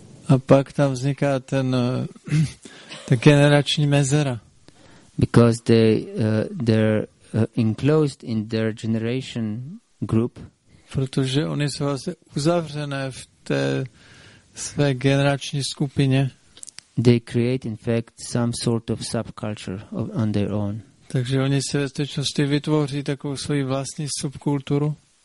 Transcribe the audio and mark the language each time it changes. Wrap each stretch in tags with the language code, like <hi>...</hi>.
<cs>A pak tam vzniká ta generační mezera.</cs> <en>Because they're enclosed in their generation group.</en> <cs>Protože oni jsou vlastně uzavřené v té své generační skupině.</cs> <en>They create in fact some sort of subculture on their own.</en> <cs>Takže oni se ve skutečnosti vytvoří takovou svoji vlastní subkulturu.</cs>